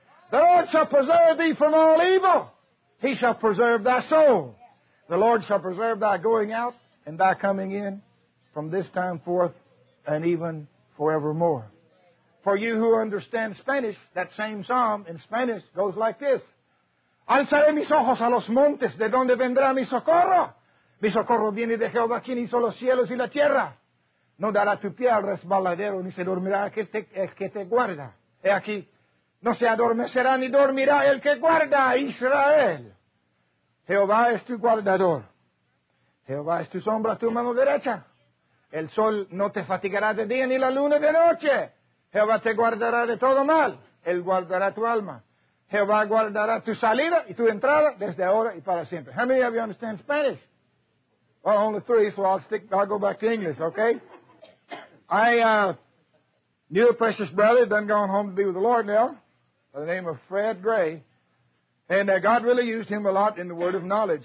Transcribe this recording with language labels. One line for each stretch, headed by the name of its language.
English: The Lord shall preserve thee from all evil. He shall preserve thy soul. The Lord shall preserve thy going out and thy coming in from this time forth and even forevermore. For you who understand Spanish, that same psalm in Spanish goes like this.
Spanish: Alzaré mis ojos a los montes, de donde vendrá mi socorro. Mi socorro viene de Jehová, quien hizo los cielos y la tierra. No dará tu pie al resbaladero, ni se dormirá el que te guarda. He aquí, no se adormecerá ni dormirá el que guarda a Israel. Jehová es tu guardador. Jehová es tu sombra, tu mano derecha. El sol no te fatigará de día ni la luna de noche. Jehová te guardará de todo mal. Él guardará tu alma. Jehová guardará tu salida y tu entrada desde ahora y para siempre.
English: How many of you understand Spanish? Well, only three, so I'll go back to English, okay? I knew a precious brother, done gone home to be with the Lord now, by the name of Fred Gray, and God really used him a lot in the word of knowledge.